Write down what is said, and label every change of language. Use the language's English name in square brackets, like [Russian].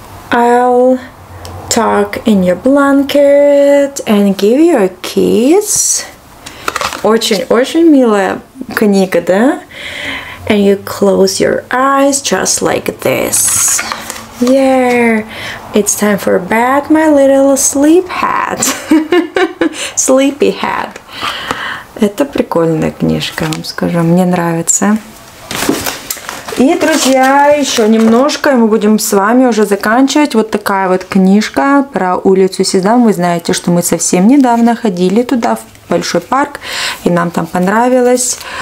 [English] I'll tuck in your blanket and give you a kiss. [Russian] Очень-очень милая книга, да? [English] And you close your eyes just like this. Yeah. It's time for bed, my little sleep hat. Sleepy hat. [Russian] Это прикольная книжка, вам скажу. Мне нравится. И, друзья, еще немножко, и мы будем с вами уже заканчивать. Вот такая вот книжка про улицу Сезам. Вы знаете, что мы совсем недавно ходили туда, в большой парк, и нам там понравилось.